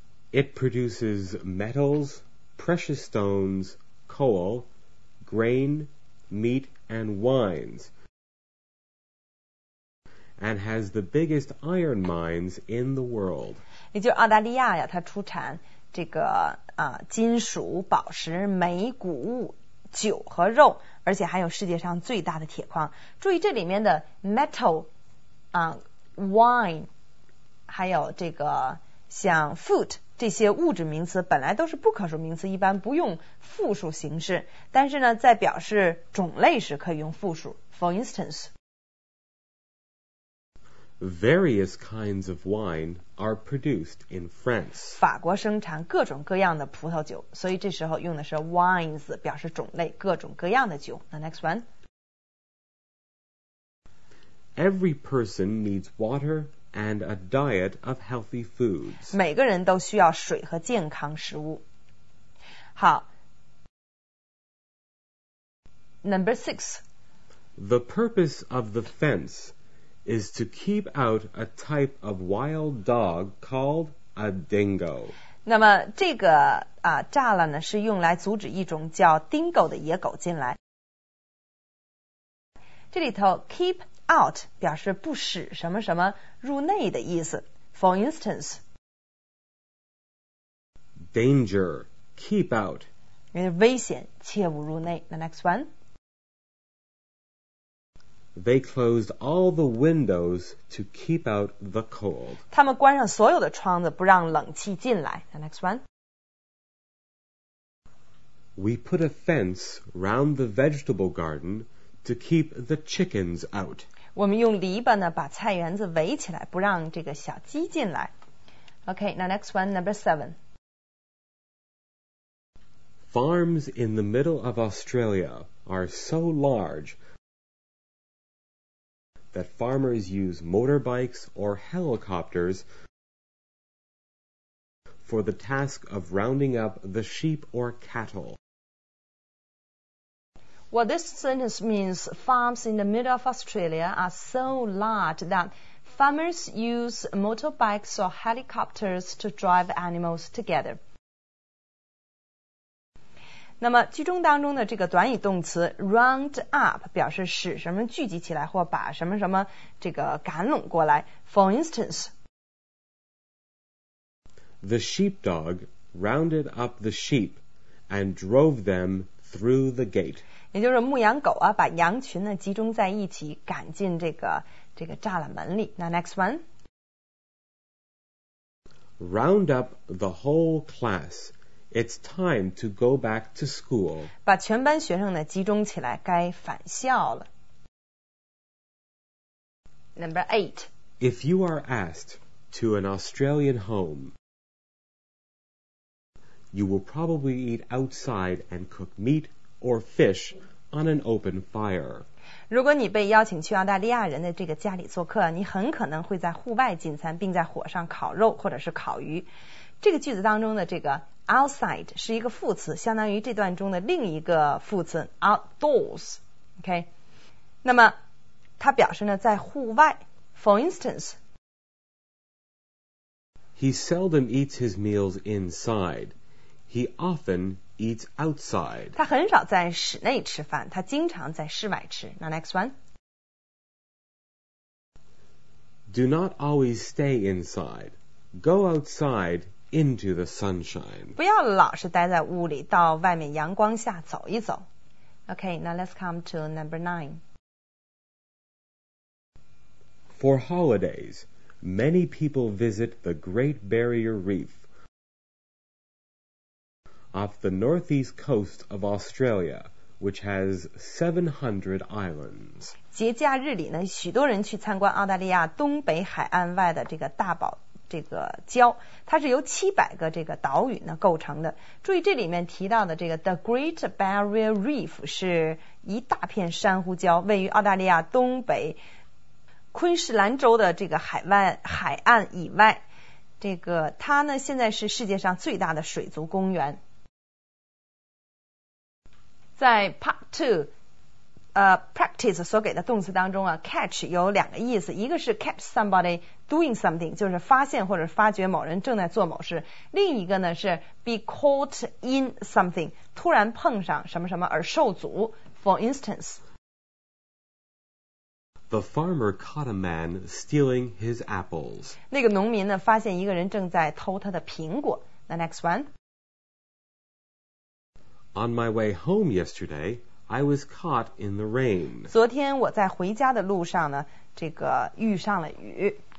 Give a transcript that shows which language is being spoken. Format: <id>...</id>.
<en>it produces metals, precious stones, coal, grain, meat and wines,and has the biggest iron mines in the world.</en> <zh>也就是澳大利亚呀，它出产这个金属、宝石、煤、谷物、酒和肉，而且还有世界上最大的铁矿。注意这里面的 metal, wine, 还有这个像 food, 这些物质名词本来都是不可数名词，一般不用复数形式，但是呢在表示种类时可以用复数。</zh> <en>For instance, Various kinds of wine are produced in France.</en> <zh>法国生产各种各样的葡萄酒，所以这时候用的是 wines, 表示种类，各种各样的酒。</zh> <en>The next one. Every person needs water and a diet of healthy foods.</en> <zh>每个人都需要水和健康食物。好。</zh> <en>Number six. The purpose of the fence. is to keep out a type of wild dog called a dingo.</en> <zh>那么这个栅栏呢是用来阻止一种叫 dingo 的野狗进来。这里头 keep out 表示不使什么什么入内的意思。</zh> <en>For instance, danger, keep out.</en> <zh>危险，切勿入内。</zh> <en>The next one. They closed all the windows to keep out the cold.</en> <zh>他们关上所有的窗子，不让冷气进来。</zh> <en>The next one. We put a fence round the vegetable garden to keep the chickens out.</en> <zh>我们用篱笆呢，把菜园子围起来，不让这个小鸡进来。</zh> <en>Okay, now next one, number seven. Farms in the middle of Australia are so large. That farmers use motorbikes or helicopters for the task of rounding up the sheep or cattle. Well, this sentence means farms in the middle of Australia are so large that farmers use motorbikes or helicopters to drive animals together.</en> <zh>那么句中当中的这个短语动词 round up 表示使什么聚集起来或把什么什么这个赶拢过来。</zh> <en>For instance, The sheepdog rounded up the sheep and drove them through the gate.</en> <zh>也就是牧羊狗啊把羊群呢集中在一起赶进这个栅栏门里。</zh> <en>那 next one, Round up the whole class. It's time to go back to school.</en> <zh>把全班学生呢集中起来，该返校了。</zh> <en>Number eight. If you are asked to an Australian home, you will probably eat outside and cook meat or fish on an open fire.</en> <zh>如果你被邀请去澳大利亚人的这个家里做客，你很可能会在户外进餐，并在火上烤肉或者是烤鱼。这个句子当中的这个Outside 是一个副词，相当于这段中的另一个副词 outdoors。OK, 那么它表示呢在户外。</zh> <en>For instance, he seldom eats his meals inside. He often eats outside.</en> <zh>他很少在室内吃饭，他经常在室外吃。</zh> <en>Now next one. Do not always stay inside. Go outside into the sunshine.</en> <zh>不要老是待在屋里，到外面阳光下走一走。</zh> <en>Okay, now let's come to number 9. For holidays, many people visit the Great Barrier Reef off the northeast coast of Australia, which has 700 islands.</en> <zh>节假日里呢，许多人去参观澳大利亚东北海岸外的这个大堡这个礁，它是由700个这个岛屿呢构成的。注意这里面提到的这个 The Great Barrier Reef 是一大片珊瑚礁，位于澳大利亚东北昆士兰州的这个海岸以外。这个它呢现在是世界上最大的水族公园。在 Part 2practice 所给的动词当中啊 catch 有两个意思，一个是</zh> <en>catch somebody doing something，</en> <zh>就是发现或者发觉某人正在做某事，另一个呢是</zh> <en>be caught in something，</en> <zh>突然碰上什么什么而受阻。</zh> <en>For instance, the farmer caught a man stealing his apples，</en> <zh>那个农民呢发现一个人正在偷他的苹果。</zh> <en>The next one, on my way home yesterdayI was caught in the rain.</en> <zh>昨天我在回家的路上呢，这个遇上了雨。</zh>